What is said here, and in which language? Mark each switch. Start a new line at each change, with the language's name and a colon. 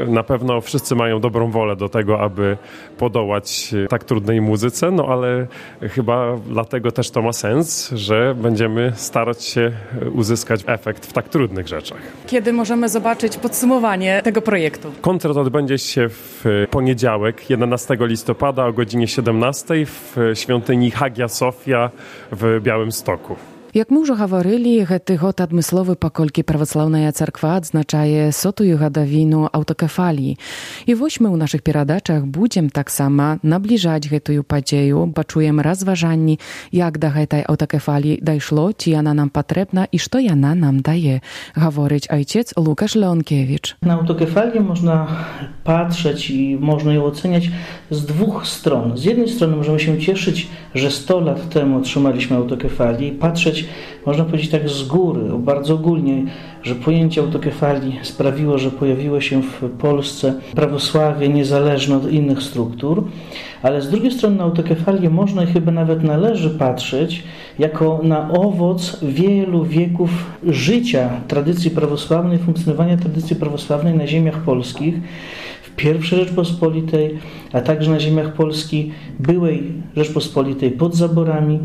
Polish: Na pewno wszyscy mają dobrą wolę do tego, aby podołać tak trudnej muzyce, no ale chyba dlatego też to ma sens, że będziemy starać się uzyskać efekt w tak trudnych rzeczach. Kiedy możemy zobaczyć podsumowanie tego projektu? Koncert odbędzie się w poniedziałek, 11 listopada o godzinie 17 w świątyni Hagia Sofia w Białymstoku.
Belarusian: Як мы ўжо гаварылі, гэты год адмысловы, паколькі праваслаўная царква адзначае сотую гадавіну аўтакефаліі. І вось мы ў нашых перадачах будзем таксама набліжаць гэтую падзею, пачуем разважанні, як да гэтай аўтакефаліі дайшло, ці яна нам патрэбна і што яна нам дае, гаворыць айцец Лукаш Леонкевіч. На аўтакефалію можна патрэць і можна яго ацэняць з двух стран. З аднай стороны, можна сім цешыць, што 100 лет таму атрымалі аўтакефалію, і патрэць
Polish: można powiedzieć tak z góry, bardzo ogólnie, że pojęcie autokefalii sprawiło, że pojawiło się w Polsce prawosławie niezależne od innych struktur, ale z drugiej strony na autokefalię można i chyba nawet należy patrzeć jako na owoc wielu wieków życia tradycji prawosławnej, funkcjonowania tradycji prawosławnej na ziemiach polskich, w pierwszej Rzeczpospolitej, a także na ziemiach Polski byłej Rzeczpospolitej pod zaborami.